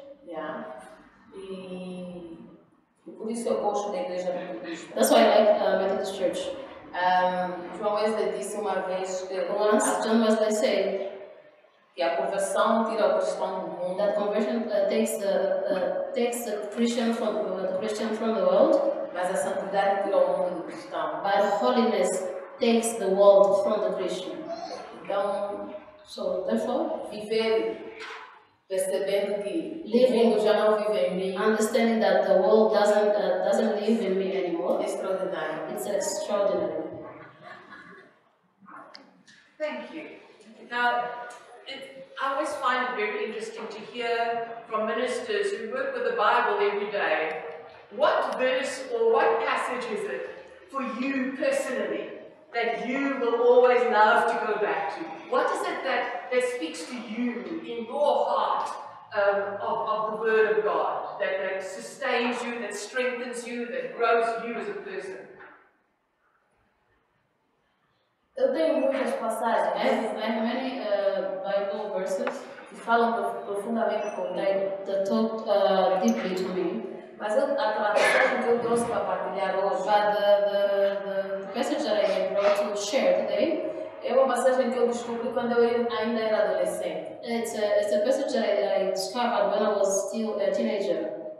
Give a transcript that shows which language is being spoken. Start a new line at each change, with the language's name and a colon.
English: Yeah.
Portuguese: E por isso eu gosto da igreja metodista.
English: That's why I like Methodist Church.
Portuguese: João Wesley disse uma vez que
English: John Wesley said.
Portuguese: Que a conversão tira o cristão do mundo.
English: That conversion takes the Christian from the Christian from the world.
Portuguese: Mas a santidade tira o mundo do cristão.
English: But holiness takes the world from the Christian.
Portuguese: Então,
English: so therefore,
Portuguese: viver percebendo que living, o mundo já não vive em mim.
English: Understanding that the world doesn't live in me anymore.
Portuguese: Extraordinário.
English: It's extraordinary. Thank you. Now. I always find it very interesting to hear from ministers who work with the Bible every day. What verse or what passage is it for you personally that you will always love to go back to? What is it that speaks to you in your heart of the Word of God that sustains you, that strengthens you, that grows you as a person.
Portuguese: Eu tenho muitas passagens,
English: I have many Bible verses
Portuguese: que falam profundamente comigo,
English: that talk deeply to me.
Portuguese: Mas a passagem que eu trouxe para partilhar hoje,
English: the passage that I brought to share today,
Portuguese: é uma passagem que eu descobri quando eu ainda era adolescente.
English: It's a passage that I discovered when I was still a teenager.